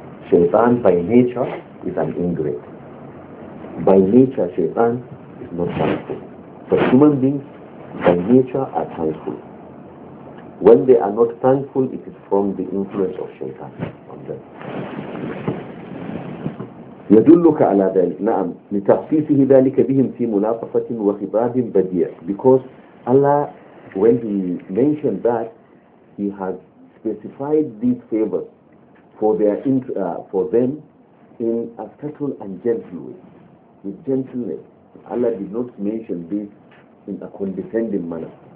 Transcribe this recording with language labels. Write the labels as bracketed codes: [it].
[en] Shaitan by nature is an ingrate. By nature, Shaitan is not thankful. But human beings by nature are thankful. When they are not thankful, it is from the influence of Shaitan on them. [ar] يدلك على ذلك نعم لتخصيصه ذلك بهم في ملاطفة وخضاب بديع. [en] Because Allah, when He mentioned that, He has specified these favors for their for them in a subtle and gentle way, with gentleness. Allah did not mention this in a condescending manner.